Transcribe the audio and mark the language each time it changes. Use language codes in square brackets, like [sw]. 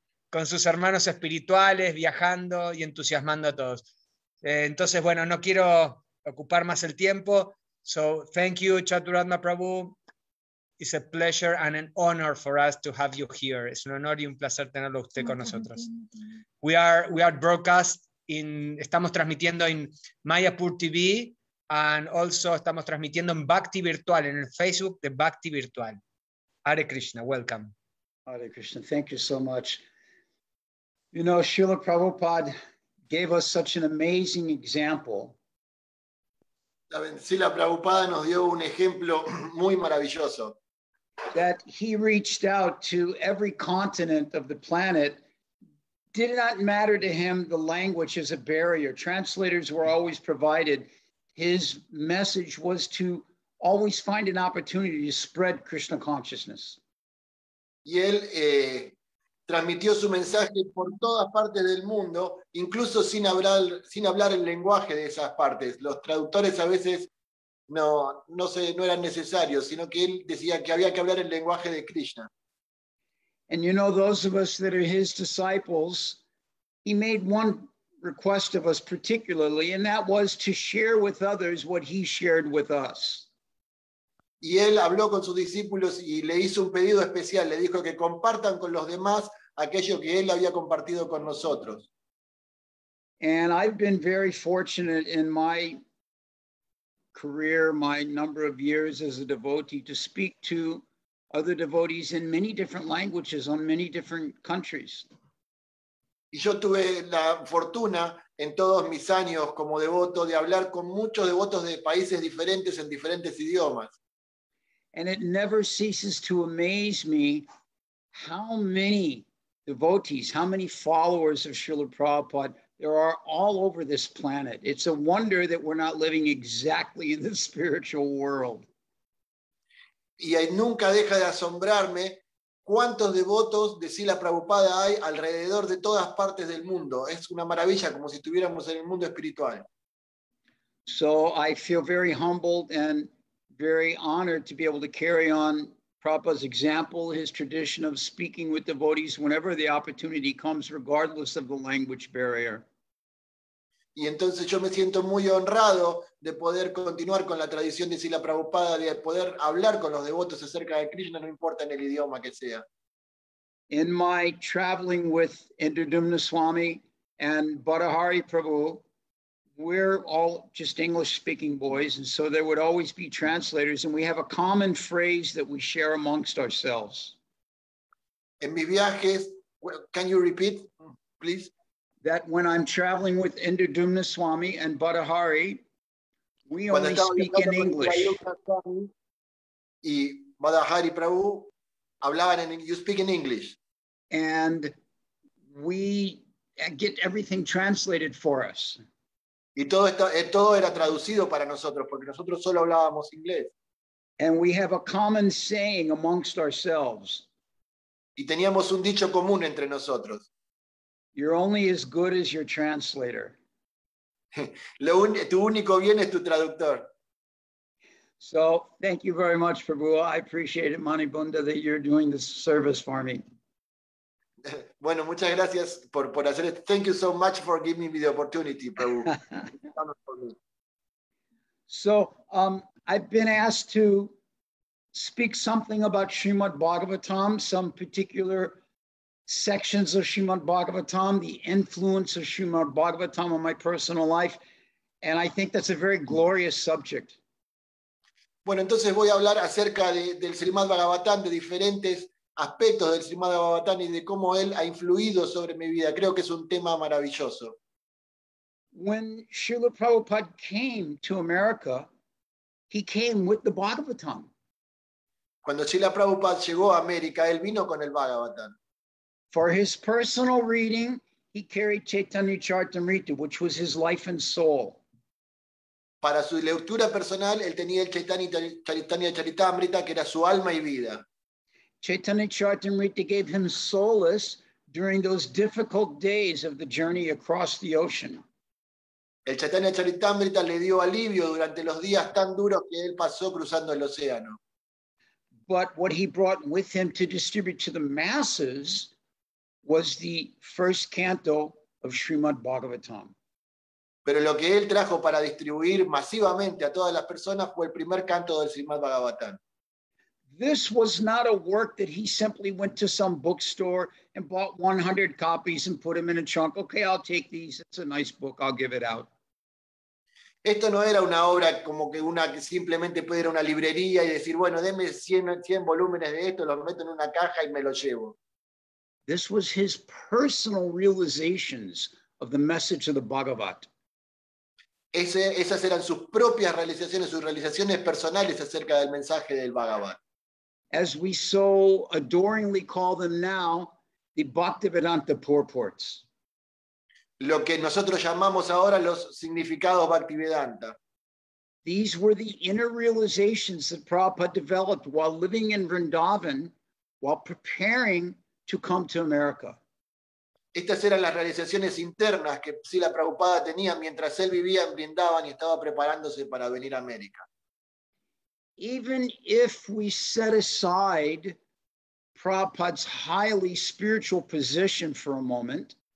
[es] Con sus hermanos espirituales, viajando y entusiasmando a todos. Entonces, bueno, no quiero ocupar más el tiempo. [en] So, thank you, Chaturatma Prabhu. It's a pleasure and an honor for us to have you here. [es] Es un honor y un placer tenerlo usted con nosotros. [en] We are broadcast in... [es] Estamos transmitiendo en Mayapur TV [en] and also [es] estamos transmitiendo en Bhakti Virtual, en el Facebook de Bhakti Virtual. [en] Hare Krishna, welcome. Hare Krishna, thank you so much. You know, Srila Prabhupada gave us such an amazing example. [es] Srila Prabhupada nos dio un ejemplo muy maravilloso. [en] That he reached out to every continent of the planet. Did not matter to him the language as a barrier. Translators were always provided. His message was to always find an opportunity to spread Krishna consciousness. [es] Y él transmitió su mensaje por todas partes del mundo, incluso sin hablar el lenguaje de esas partes. Los traductores a veces no eran necesarios, sino que él decía que había que hablar el lenguaje de Krishna. [en] And you know, those of us that are his disciples, he made one request of us particularly, and that was to share with others what he shared with us. [es] Y él habló con sus discípulos y le hizo un pedido especial. Le dijo que compartan con los demás aquello que él había compartido con nosotros. [en] And I've been very fortunate in my career, my number of years as a devotee, to speak to other devotees in many different languages on many different countries. [es] Y yo tuve la fortuna en todos mis años como devoto de hablar con muchos devotos de países diferentes en diferentes idiomas. [en] And it never ceases to amaze me how many devotees, how many followers of Srila Prabhupada there are all over this planet. It's a wonder that we're not living exactly in the spiritual world. [es] Y nunca deja de asombrarme cuántos devotos de Srila Prabhupada hay alrededor de todas partes del mundo. Es una maravilla, como si estuviéramos en el mundo espiritual. [en] So I feel very humbled and very honored to be able to carry on Prabhupada's example, his tradition of speaking with devotees whenever the opportunity comes, regardless of the language barrier. [es] Y entonces yo me siento muy honrado de poder continuar con la tradición de Srila Prabhupada, de poder hablar con los devotos acerca de Krishna, no importa en el idioma que sea. [en] In my traveling with Indradumna Swami and Badahari Prabhu, we're all just English-speaking boys, and so there would always be translators, and we have a common phrase that we share amongst ourselves. [es] En mis viajes, [en] can you repeat, please? That when I'm traveling with Indradumna Swami and Badahari, we only speak in English. [es] Y Badahari Prabhu hablaban en, [en] you speak in English. And we get everything translated for us. [es] Y todo esto, todo era traducido para nosotros, porque nosotros solo hablábamos inglés. [en] And we have a common saying amongst ourselves. [es] Y teníamos un dicho común entre nosotros. [en] You're only as good as your translator. [es] Tu único bien es tu traductor. [en] So, thank you very much, Prabhu. I appreciate it, Mani Bunda, that you're doing this service for me. [es] Bueno, muchas gracias por hacer esto. [en] Thank you so much for giving me the opportunity, Prabhu. So, I've been asked to speak something about Srimad Bhagavatam, some particular sections of Srimad Bhagavatam, the influence of Srimad Bhagavatam on my personal life, and I think that's a very glorious subject. [es] Bueno, entonces voy a hablar acerca del Srimad Bhagavatam, de diferentes aspectos del Srimad Bhagavatam y de cómo él ha influido sobre mi vida. Creo que es un tema maravilloso. [en] When Srila Prabhupada came to America, he came with the Bhagavatam. [es] Cuando Srila Prabhupada llegó a América, él vino con el Bhagavatam. [en] For his personal reading, he carried Chaitanya Charitamrita, which was his life and soul. [es] Para su lectura personal, él tenía el Chaitanya Charitamrita, que era su alma y vida. [en] Chaitanya Charitamrita gave him solace during those difficult days of the journey across the ocean. [es] El Chaitanya Charitamrita le dio alivio durante los días tan duros que él pasó cruzando el océano. [en] But what he brought with him to distribute to the masses was the first canto of Srimad Bhagavatam. [es] Pero lo que él trajo para distribuir masivamente a todas las personas fue el primer canto del Srimad Bhagavatam. [en] This was not a work that he simply went to some bookstore and bought 100 copies and put them in a trunk. Okay, I'll take these. It's a nice book. I'll give it out. [es] Esto no era una obra como que una que simplemente puede ir a una librería y decir, bueno, deme 100 volúmenes de esto, los meto en una caja y me lo llevo. [en] This was his personal realizations of the message of the Bhagavat. [es] Esas eran sus propias realizaciones, sus realizaciones personales acerca del mensaje del Bhagavat. [en] As we so adoringly call them now, the Bhaktivedanta Purports. [es] Lo que nosotros llamamos ahora los significados Bhaktivedanta. [en] These were the inner realizations that Prabhupada developed while living in Vrindavan, while preparing to come to America. [es] Estas eran las realizaciones internas que Srila Prabhupada tenía mientras él vivía en Vrindavan y estaba preparándose para venir a América. [en] Even if we set aside Prabhupada's highly spiritual position for a moment,